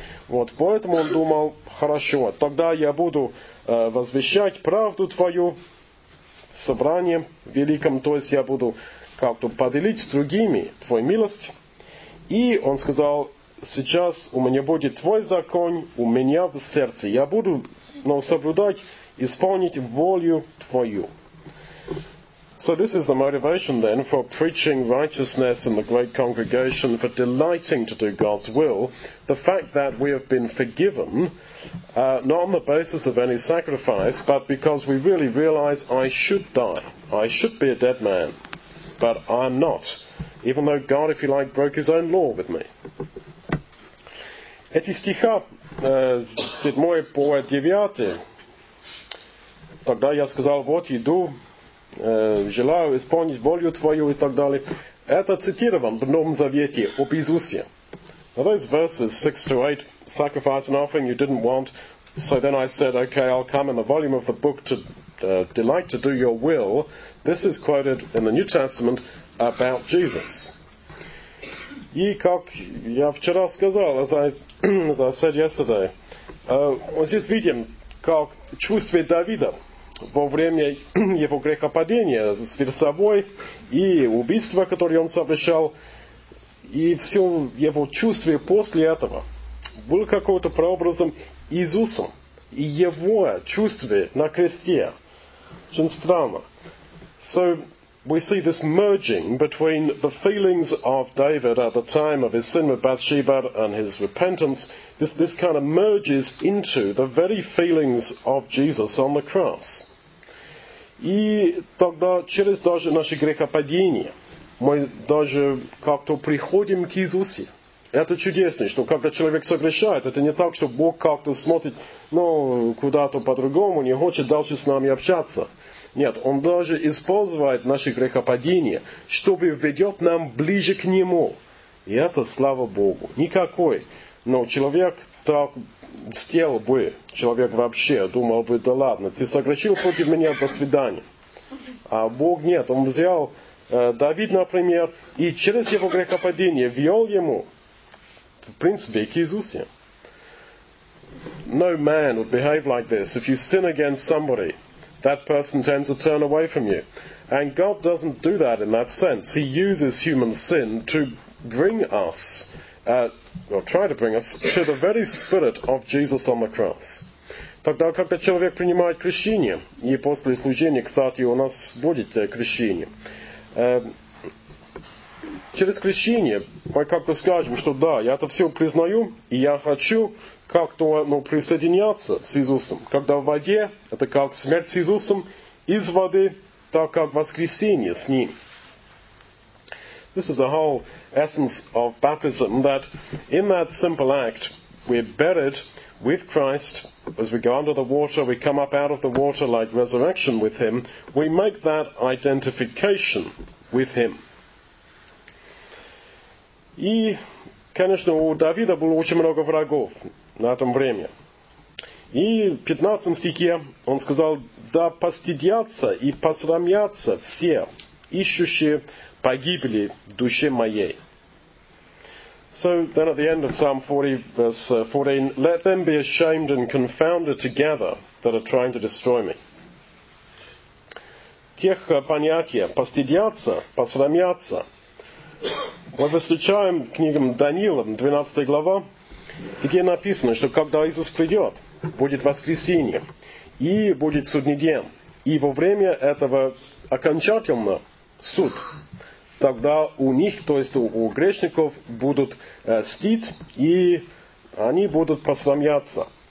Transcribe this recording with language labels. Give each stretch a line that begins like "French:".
Russian: Вот, поэтому он думал, хорошо, тогда я буду возвещать правду твою в собрании великом, то есть я буду как-то поделить с другими твою милость. И он сказал, сейчас у меня будет твой закон, у меня в сердце. Я буду соблюдать, исполнить волю твою.
English: So this is the motivation then for preaching righteousness in the great congregation, for delighting to do God's will, the fact that we have been forgiven, not on the basis of any sacrifice, but because we really realize I should die. I should be a dead man, but I'm not, even though God, if you like, broke his own law with me.
Russian: Эти стиха, седьмой по девятый, тогда я сказал, вот иду, желаю исполнить волю твою и так далее. Это цитирован в Новом Завете об Иисусе.
English: Now those verses 6 to 8, sacrifice and offering you didn't want, so then I said, okay, I'll come in the volume of the book to delight to do your will. This is quoted in the New Testament about Jesus.
Russian: И как я вчера сказал,
English: as I said yesterday,
Russian: мы здесь видим, как чувствует Давида во время его грехопадения с Версавой и убийства, которое он совершал, и все его чувства после этого было какого-то прообразом Иисусом. И его чувства на кресте. Очень странно.
English: So we see this merging between the feelings of David at the time of his sin with Bathsheba and his repentance. This kind of merges into the very feelings of Jesus on the cross.
Russian: И тогда через даже наше грехопадение мы даже как-то приходим к Иисусу. Это чудесно, что когда человек согрешает, это не так, что Бог как-то смотрит куда-то по-другому, не хочет дальше с нами общаться. Нет, Он даже использует наше грехопадение, чтобы ведет нам ближе к Нему. И это слава Богу. Никакой. Но человек так сделал бы, человек вообще думал бы, да ладно, ты согрешил против меня, до свидания. А Бог нет, Он взял Давид, например, и через его грехопадение вел ему, в принципе, к Иисусу.
English: No man would behave like this. If you sin against somebody, that person tends to turn away from you. And God doesn't do that in that sense. He uses human sin to bring us or try to bring us to the very spirit of Jesus on the cross.
Russian: Тогда, когда человек принимает крещение, и после служения, кстати, у нас будет крещение, через крещение мы как бы скажем, что да, я это все признаю, и я хочу как-то присоединяться с Иисусом. Когда в воде, это как смерть с Иисусом, из воды, так как воскресение с Ним.
English: This is the whole essence of baptism, that in that simple act, we're buried with Christ. As we go under the water, we come up out of the water like resurrection with Him. We make that identification with Him.
Russian: И, конечно, у Давида было очень много врагов на этом время. И в 15 стихе он сказал, «Да постыдятся и посрамятся все, ищущие погибли в душе моей».
English: So then at the end of Psalm 40, verse 14, «Let them be ashamed and confounded together that are trying to destroy me».
Russian: Тех понятия «постыдятся», «посрамятся». Мы встречаем книгам Даниила, 12 глава, где написано, что когда Иисус придет, будет воскресенье, и будет судный день, и во время этого окончательно суд, тогда у них, то есть у грешников, будут стыд, и они будут посрамляться.